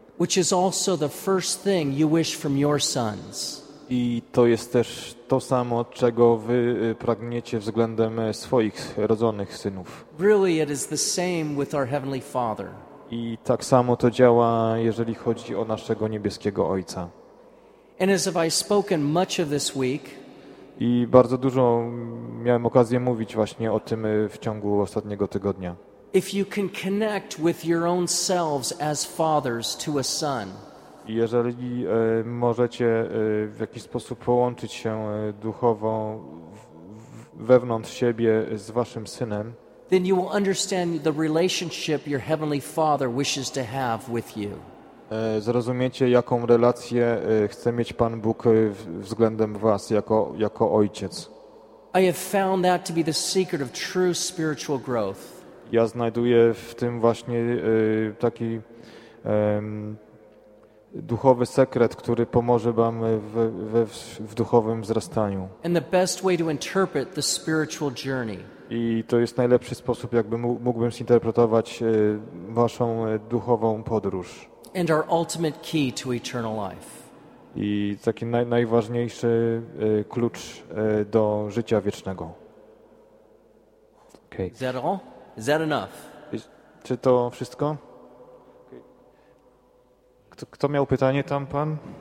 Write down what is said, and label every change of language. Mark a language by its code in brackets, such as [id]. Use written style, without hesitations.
[en] Which is also the first thing you wish from your sons. [pl] I to jest też to samo, czego wy pragniecie względem swoich rodzonych synów. [en] Really, it is the same with our Heavenly Father. [pl] I tak samo to działa, jeżeli chodzi o naszego niebieskiego Ojca. [en] And as have I spoken much of this week. [pl] I bardzo dużo miałem okazję mówić właśnie o tym w ciągu ostatniego tygodnia. [en] If you can connect with your own selves as fathers to a son. [pl] Jeżeli możecie w jakiś sposób połączyć się duchowo wewnątrz siebie z waszym synem. [en] Then you will understand the relationship your heavenly Father wishes to have with you. [pl] Zrozumiecie, jaką relację chce mieć Pan Bóg względem was jako ojciec. [en] I have found that to be the secret of true spiritual growth. [pl] Ja znajduję w tym właśnie taki duchowy sekret, który pomoże wam w duchowym wzrastaniu. [en] And the best way to interpret the spiritual journey. [pl] I to jest najlepszy sposób, jakby mógłbym zinterpretować waszą duchową podróż. [en] And our ultimate key to eternal life. [pl] I taki najważniejszy klucz do życia wiecznego. [en] Okay. Is that all? Is that enough? [pl] Czy to wszystko? Okay. Kto miał pytanie tam, pan?